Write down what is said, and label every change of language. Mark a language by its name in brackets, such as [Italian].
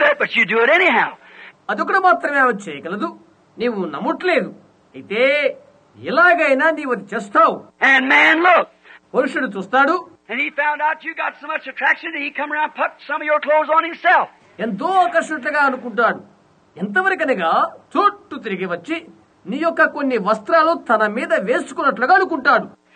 [Telugu] అదొకట మాత్రమే ఆమె చేయగలదు, నీవు నమ్మట్లేదు, అయితే ఇలాగైనా నీవు అది చేస్తావు. [English] And man, look. [Telugu] పురుషుడు చూస్తాడు. [English] And he found out you got so much attraction that he come around and put some of your clothes on himself. [Telugu] ఎంతో ఆకర్షితుడిగా అనుకుంటాడు, ఎంతవరకనగా చుట్టు తిరిగి వచ్చి నీ యొక్క కొన్ని వస్త్రాలు తన మీద వేసుకున్నట్లుగా అనుకుంటాడు.